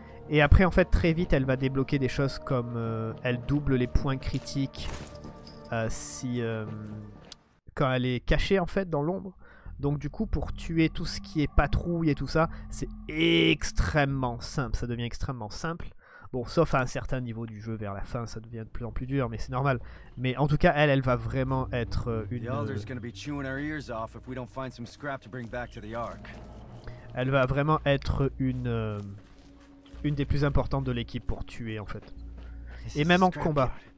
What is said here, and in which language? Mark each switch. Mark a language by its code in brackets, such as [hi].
[fr] Et après, en fait, très vite, elle va débloquer des choses comme elle double les points critiques quand elle est cachée en fait dans l'ombre. Donc du coup, pour tuer tout ce qui est patrouille et tout ça, c'est extrêmement simple. Ça devient extrêmement simple. Bon, sauf à un certain niveau du jeu, vers la fin, ça devient de plus en plus dur, mais c'est normal. Mais en tout cas, elle, elle va vraiment être une... Les Elders vont nous [en] chewing our ears off if we don't find some scrap to bring back to the Ark. [fr] Elle va vraiment être une des plus importantes de l'équipe pour tuer, en fait. Et même en combat.